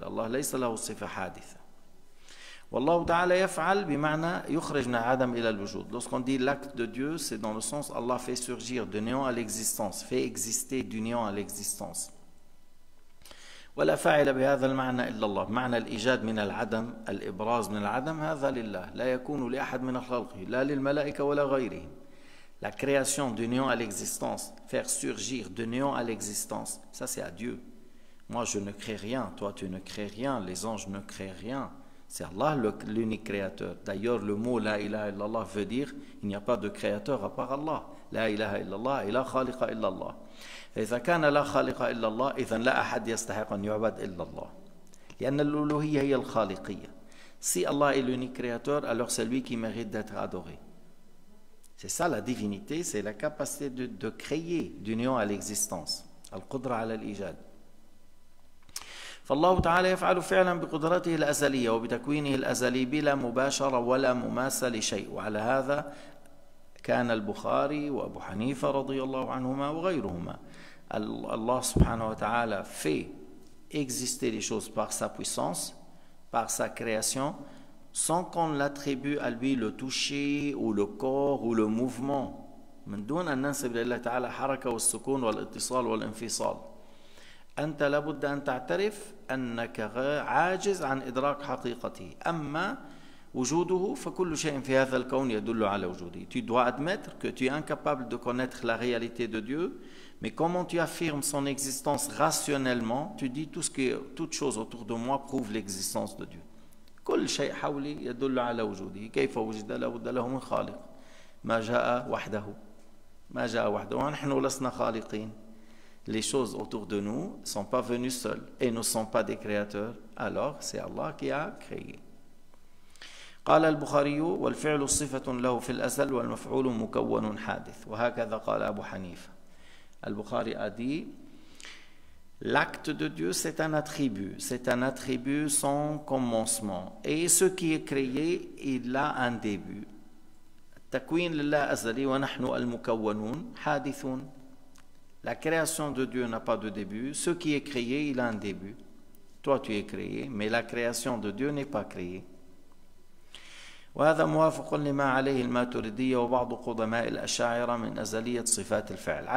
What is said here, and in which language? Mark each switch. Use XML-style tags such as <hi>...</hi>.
<ar>Allah ليس له صفة حادثة. والله تعالى يفعل بمعنى يخرجنا عدم إلى الوجود.</ar> <fr>Lorsqu'on dit l'acte de Dieu, c'est dans le sens Allah fait surgir du néant à l'existence, fait exister du néant à l'existence.</fr> <ar>ولا فاعل بهذا المعنى إلا الله. معنى الإيجاد من العدم، الإبراز من العدم، هذا لله، لا يكون لأحد من خلقه، لا للملائكة ولا غيرهم.</ar> <fr>La création du néant à l'existence, faire surgir du néant à l'existence, ça c'est à Dieu. Moi je ne crée rien, toi tu ne crées rien, les anges ne créent rien. C'est Allah l'unique créateur. D'ailleurs le mot</fr> <ar>la ilaha illallah</ar> <fr>veut dire il n'y a pas de créateur à part Allah.</fr> <ar>La ilaha illallah, ila khaliqa illallah. فإذا كان لا خالق إلا الله إذن لا أحد يستحق أن يعبد إلا الله لأن الألوهية هي الخالقية.</ar> <fr>Si Allah est l'unique créateur, alors c'est lui qui mérite d'être adoré. C'est ça la divinité, c'est la capacité de créer d'union à l'existence.</fr> <ar>القدرة على الإيجاد. فالله تعالى يفعل فعلا بقدرته الأزلية وبتكوينه الأزلي بلا مباشرة ولا مماسة لشيء. وعلى هذا كان البخاري وأبو حنيفة رضي الله عنهما وغيرهما.</ar> <fr>Allah subhanahu wa ta'ala fait exister les choses par sa puissance, par sa création, sans qu'on l'attribue à lui le toucher ou le corps ou le mouvement.</fr> <ar>من دون أن ننسب لله تعالى حركة والسكون والاتصال والانفصال. أنت لابد أن تعترف أنك عاجز عن إدراك حقيقته. أما وجوده فكل شيء في هذا الكون يدل على وجوده.</ar> <fr>Tu dois admettre que tu es incapable de connaître la réalité de Dieu. Mais comment tu affirmes son existence rationnellement? Tu dis tout ce que toute chose autour de moi prouve l'existence de Dieu.</fr> <ar>كل شيء حولي يدل على وجوده. كيف وجد له؟ وجد له من خالق. ما جاء وحده. ما جاء وحده. ونحن لسنا خالقين.</ar> <fr>Les choses autour de nous ne sont pas venues seules et ne sont pas des créateurs. Alors c'est Allah qui a créé.</fr> <ar>قال البخاري والفعل صفة له في الأزل والمفعول مكون حادث. وهكذا قال أبو حنيفة.</ar> <fr>البخاري a dit l'acte de Dieu c'est un attribut sans commencement et ce qui est créé il a un début.</fr> <ar>تكوين لله أزلي ونحن المكونون حادث.</ar> <fr>La création de Dieu n'a pas de début, ce qui est créé il a un début. Toi tu es créé mais la création de Dieu n'est pas créée.</fr> <ar>وهذا موافق لما عليه الماتريدية وبعض قدماء الأشاعرة من أزلية صفات الفعل.</ar>